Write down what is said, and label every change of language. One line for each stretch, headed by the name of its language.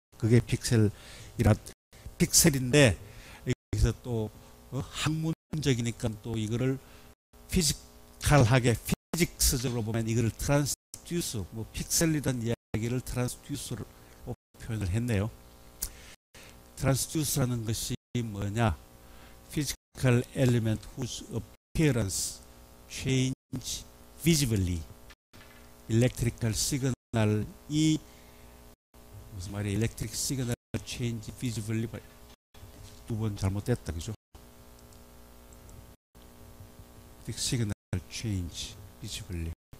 Korean: 그게 픽셀이라 픽셀인데 여기서 또 학문적이니까 또 이거를 피지컬하게 피직스적으로 보면 이거를 트랜스듀스 뭐 픽셀이라는 이야기를 트랜스듀스로 표현을 했네요. 트랜스듀스라는 것이 뭐냐?
English: Physical element whose appearance change visibly. Electrical signal
Korean: 이 무슨 말이야?
English: Electric signal change visibly.
Korean: 두 번 잘못됐다, 그죠?
English: Electric signal change visibly.